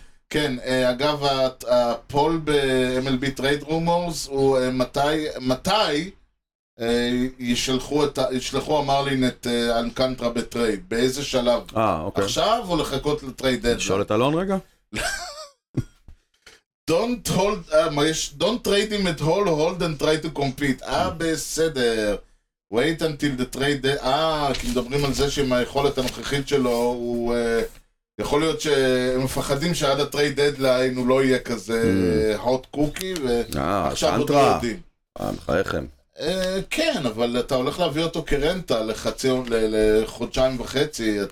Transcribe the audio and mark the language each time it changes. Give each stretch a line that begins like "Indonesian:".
Hebrew: כן, אגב, הפול ב-MLB Trade Rumors הוא מתי... ישלחו אמר לי את אנקנטרה בטרייד, באיזה שלב? אוקיי. עכשיו או לחכות לטרייד דדליין? שואל את אלון רגע.
English: Don't trade him at all, hold and try to compete. בסדר. Wait until the trade day.
Hebrew: כי מדברים על זה שעם היכולת הנוכחית שלו, הוא יכול להיות שהם מפחדים שעד הטרייד דדליין הוא לא יהיה כזה
English: hot cookie,
Hebrew: ועכשיו עוד לא יודעים. מחייכם. כן, אבל אתה הולך להביא אותו כרנטה לחצי, לחודשיים וחצי.